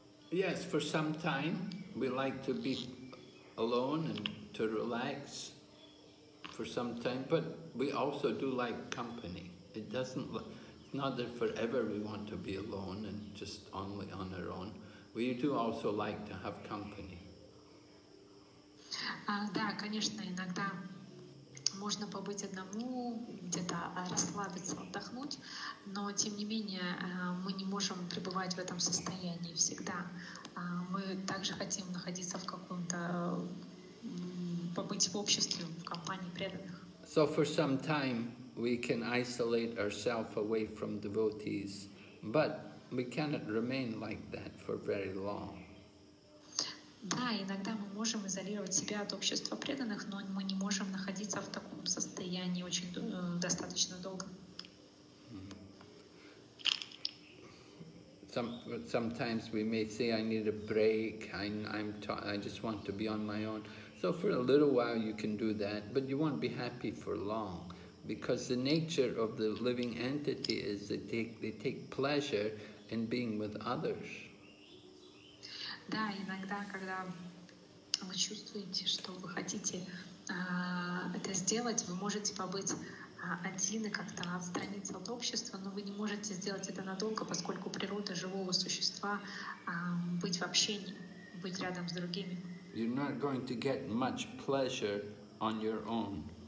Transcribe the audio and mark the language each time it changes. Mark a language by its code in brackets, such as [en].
[en] Yes, for some time we like to be alone and to relax. For some time, but we also do like company. It doesn't, it's not that forever we want to be alone and just only on our own. We do also like to have company. [ru] Да, конечно, иногда можно побыть одному, где-то расслабиться, отдохнуть, но тем не менее мы не можем пребывать в этом состоянии всегда. Мы также хотим находиться в каком-то побыть в обществе, в компании преданных. [en] So for some time we can isolate ourselves away from devotees, but we cannot remain like that for very long. [ru] Да, иногда мы можем изолировать себя от общества преданных, но мы не можем находиться в таком состоянии очень достаточно долго. [en] Sometimes we may say, I need a break, I just want to be on my own. So for a little while you can do that, but you won't be happy for long, because the nature of the living entity is that they take pleasure in being with others. [ru] Да, иногда, когда вы чувствуете, что вы хотите это сделать, вы можете побыть один и как-то отстраниться от общества, но вы не можете сделать это надолго, поскольку природа живого существа быть в общении, быть рядом с другими. [en] You're not going to get much pleasure on your own.